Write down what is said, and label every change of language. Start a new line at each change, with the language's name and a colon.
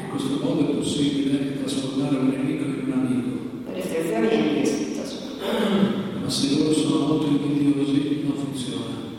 Italian: In questo modo è possibile trasformare un nemico in un amico.
English: But if they're very envious, it doesn't work.
Italian: Ma se loro sono molto invidiosi, non funziona.